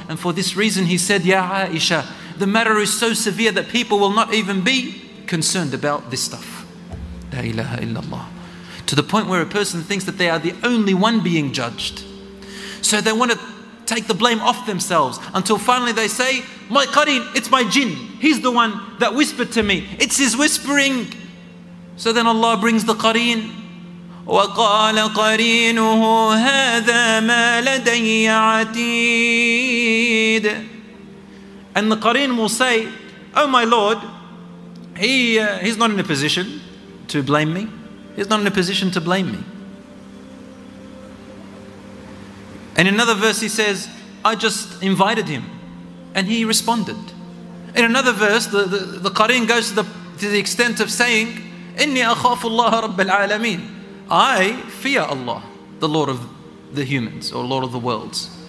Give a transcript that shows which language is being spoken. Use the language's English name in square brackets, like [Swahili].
[English] And for this reason, he said, Ya Aisha, the matter is so severe that people will not even be concerned about this stuff. [Arabic] La ilaha illallah. [English] To the point where a person thinks that they are the only one being judged. So they want to take the blame off themselves until finally they say, my qareen, it's my jinn. He's the one that whispered to me. It's his whispering. So then Allah brings the qareen. [Arabic] وَقَالَ قَرِينُهُ هَذَا مَا لَدَيَّ عَتِيدٌ. [English] And the qareen will say, oh my Lord, he's not in a position to blame me. He's not in a position to blame me. And in another verse he says, I just invited him and he responded. In another verse, the Qareen goes to the extent of saying, [Arabic] إِنِّي أَخَافُ اللَّهَ رَبَّ الْعَالَمِينَ, [English] I fear Allah, the Lord of the humans or Lord of the worlds.